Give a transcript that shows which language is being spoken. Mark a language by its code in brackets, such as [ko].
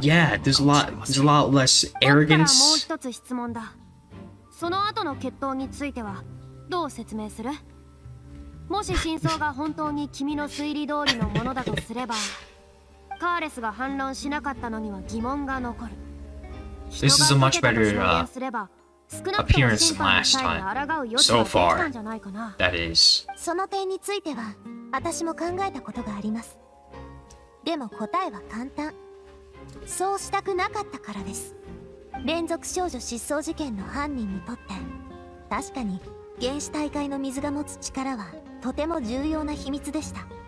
[en] った。Yeah, there's a lot less arrogance。 [ja] もう一つ質問だ。その後の決闘についてはどう説明する？もし真相が本当に君の推理通りのものだとすれば、カーレスが反論しなかったのには疑問が残る。 [en] This is a much better appearance than last time so far. That is. [ja] その点については私も考えたことがあります。でも答えは簡単。そうしたくなかったからです。連続少女失踪事件の犯人にとって確かに原始大海の水が持つ力はとても重要な秘密でした。